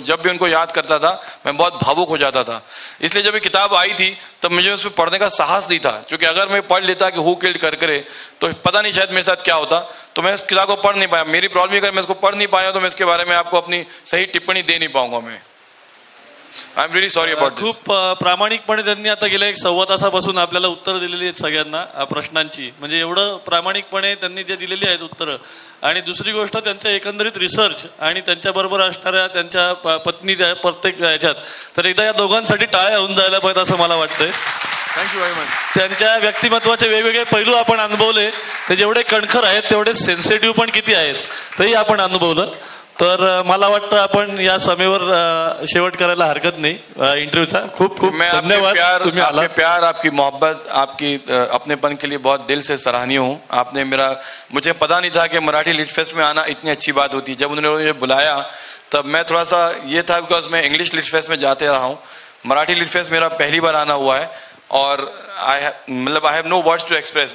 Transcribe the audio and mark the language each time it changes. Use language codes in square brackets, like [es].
[hi] जब भी उनको याद करता था मैं बहुत भावुक हो जाता था। इसलिए जब ये किताब आई थी तब मुझे उस पर पढ़ने का साहस नहीं था, क्योंकि अगर मैं पढ़ लेता कि हु किल्ड करकरे तो पता नहीं शायद मेरे साथ क्या होता, तो मैं उस किताब को पढ़ नहीं पाया। मेरी प्रॉब्लम, अगर मैं उसको पढ़ नहीं पाया तो मैं इसके बारे में आपको अपनी सही टिप्पणी दे नहीं पाऊंगा। मैं [en] I am really sorry about this. [mr] खूप प्रामाणिकपणे त्यांनी आता गेल्या एक सव्वा तासापासून आपल्याला उत्तरं दिलेली आहेत सगळ्यांना प्रश्नांची, म्हणजे एवढं प्रामाणिकपणे त्यांनी जे दिलेली आहेत उत्तरं। आणि दुसरी गोष्ट त्यांचं एकंदरीत रिसर्च आणि त्यांच्याबरोबर असणाऱ्या त्यांच्या पत्नी त्या प्रत्येक याच्यात, तर एकदा या दोघांसाठी टाळ्या होऊन जायला पाहिजे असं मला वाटतंय। [en] Thank you very much. [mr] त्यांच्या व्यक्तिमत्वाचे वेगवेगळे पैलू आपण अनुभवले, ते जेवढे कणखर आहेत तेवढेच सेन्सिटिव्ह पण किती आहेत तेही आपण अनुभवलं। तर मला वाटतं आपण या समेवर शेवट करायला हरकत नाही इंटरव्ह्यूचा। खूप खूप धन्यवाद। तुम्ही आला, [hi] प्यार आपकी मोहब्बत आपकी अपनेपन के लिए बहुत दिल से सराहनीय हूं। आपने मेरा, मुझे पता नहीं था कि मराठी लिट फेस्ट में आना इतनी अच्छी बात होती। जब उन्होंने मुझे बुलाया तब मैं थोड़ा सा ये था बिकॉज मैं इंग्लिश लिट फेस्ट में जाते रहा हूं, मराठी लिट फेस्ट मेरा पहली बार आना हुआ है और [en] I have no words to express.